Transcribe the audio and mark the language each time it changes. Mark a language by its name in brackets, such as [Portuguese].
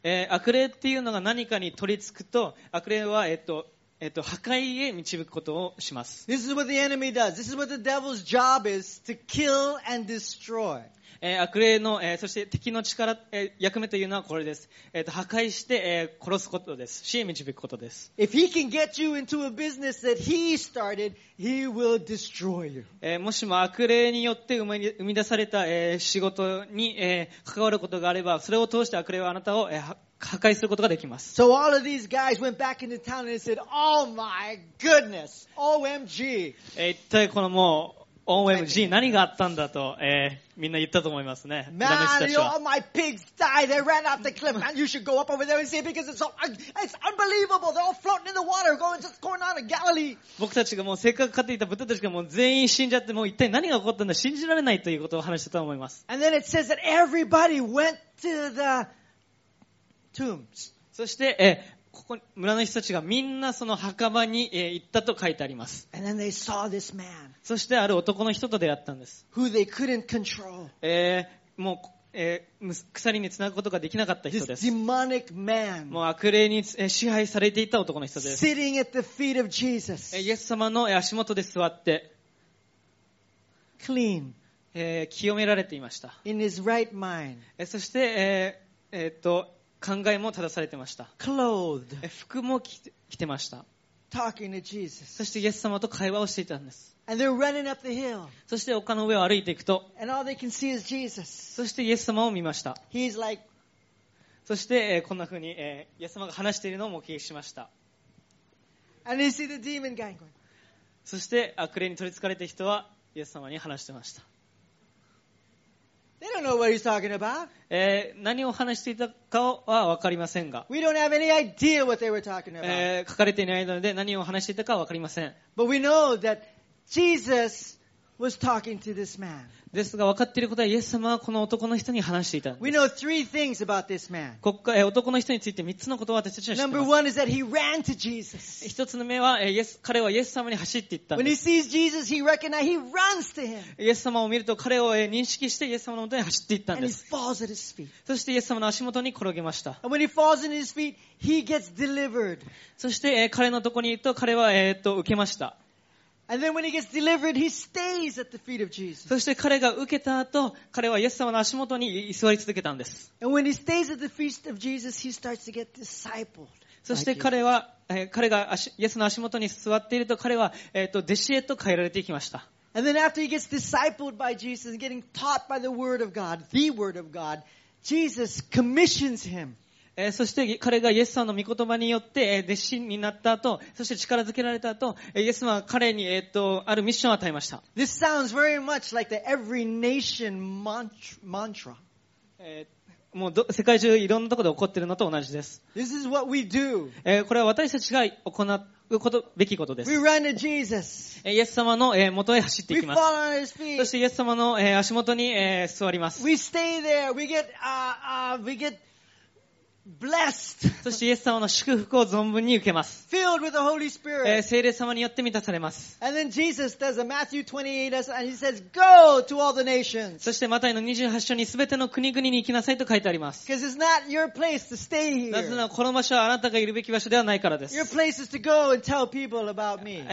[Japanese] 悪霊っていうのが何かに取り付くと悪霊は破壊へ導くことをします。 [English] This is what the enemy does. This is what the devil's job is to kill and destroy. [Japanese] 悪霊の、そして敵の力、役目というのはこれです。破壊して、殺すことです。死へ導くことです。 [English] If he can get you into a business that he started, he will destroy you. [Japanese] もしも悪霊によって生み出された、仕事に、関わることがあれば、それを通して悪霊はあなたを、破壊することができます。 [English] So all of these guys went back into town and said, Oh my goodness! OMG! [Japanese] 一体このもう、OMG 何があったんだと、みんな言ったと思いますね。 [English] Man, all my pigs died. They ran off the cliff. Man, you should go up over there and see it because it's unbelievable. They're all floating in the water, going out of Galilee. [Japanese] 僕たちがもうせっかく飼っていた豚たちがもう全員死んじゃってもう一体何が起こったんだ信じられないということを話したと思います。 [English] And then it says that everybody went to the tombs. [Japanese] そして、ここ村の人たちがみんなその墓場に行ったと書いてあります。 [English] And then they saw this man. [Japanese] そしてある男の人と出会ったんです。 [English] Who they couldn't control. [Japanese] もう、鎖につなぐことができなかった人です。 [English] This demonic man. [Japanese] もう悪霊に支配されていた男の人です。 [English] Sitting at the feet of Jesus. [Japanese] イエス様の足元で座って。 [English] Clean. [Japanese] 清められていました。 [English] In his right mind. [Japanese] そして、考えも正されてました。 [English] Clothed. [Japanese] 服も着てました。 [English] Talking to Jesus. [Japanese] そしてイエス様と会話をしていたんです。 [English] And they're running up the hill. [Japanese] そして丘の上を歩いていくと、 [English] And all they can see is Jesus. [Japanese] そしてイエス様を見ました。 [English] He's like... [Japanese] そして、こんな風に、イエス様が話しているのを目撃しました。 [English] And you see the demon guy going. [Japanese] そして悪霊に取り憑かれた人はイエス様に話していました。 [English] They don't know what he's talking about. [Japanese] 何を話していたかは分かりませんが、 [English] We don't have any idea what they were talking about. [Japanese] 書かれていないので何を話していたかは分かりません。 [English] But we know that JesusWas talking to this man. [Japanese] ですが分かっていることはイエス様はこの男の人に話していたんです。 [English] We know three things about this man. [Japanese] 男の人について3つのことを私たちは知っています。 [English] Number one is that he ran to Jesus. [Japanese] 一つの目は、彼はイエス様に走っていったんです。 [English] When he sees Jesus, he recognizes, he runs to him. [Japanese] イエス様を見ると彼を認識してイエス様のもとに走っていったんです。 [English] And he falls at his feet. [Japanese] そしてイエス様の足元に転げました。 [English] And when he falls at his feet, he gets delivered. [Japanese] そして彼のところに行くと彼は受けました。 [English] And then when he gets delivered, he stays at the feet of Jesus. [Japanese] そして彼が受けた後、彼はイエス様の足元に居座り続けたんです。 [English] And when he stays at the feet of Jesus, he starts to get discipled. [Japanese] そして彼がイエスの足元に座っていると、彼は弟子へと変えられていきました。 [English] And then after he gets discipled by Jesus, getting taught by the Word of God, the Word of God, Jesus commissions him. [Japanese] そして彼がイエス様の御言葉によって弟子になった後、そして力づけられた後、イエス様は彼にあるミッションを与えました。 [English] This sounds very much like the every nation mantra. [Japanese] もう世界中いろんなところで起こっているのと同じです。 [English] This is what we do. [Japanese] これは私たちが行うことべきことです。 [English] We run to Jesus. [Japanese] イエス様の元へ走っていきます。 [English] We fall on his feet. [Japanese] そしてイエス様の足元に座ります。 [English] We stay there. We get, we get... Blessed. [Japanese] そしてイエス様の祝福を存分に受けます。 [English] Filled with the Holy Spirit. [Japanese] 聖霊様によって満たされます。 [English] And then Jesus does a Matthew 28 and he says, "Go to all the nations." [Japanese] そしてマタイの28章にすべての国々に行きなさいと書いてあります。 [English] Because it's not your place to stay here. [Japanese] なぜならこの場所はあなたがいるべき場所ではないからです。 [English] Your place is to go and tell people about me.